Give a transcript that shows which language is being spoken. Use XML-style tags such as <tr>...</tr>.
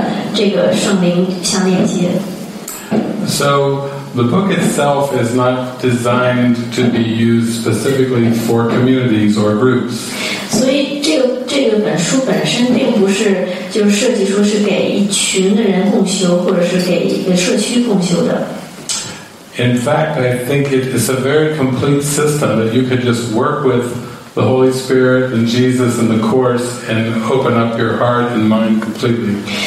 <zh>它的目的就是想让你在修行的过程中逐渐跟自己内心的这个圣灵相连接</zh> <en>So the book itself is not designed to be used specifically for communities or groups</en> <zh>所以这个本书本身并不是就是设计出是给一群的人共修或者是给一个社区共修的</zh> <en>In fact, I think it is a very complete system that you could just work with the Holy Spirit and Jesus and the Course and open up your heart and mind completely</en>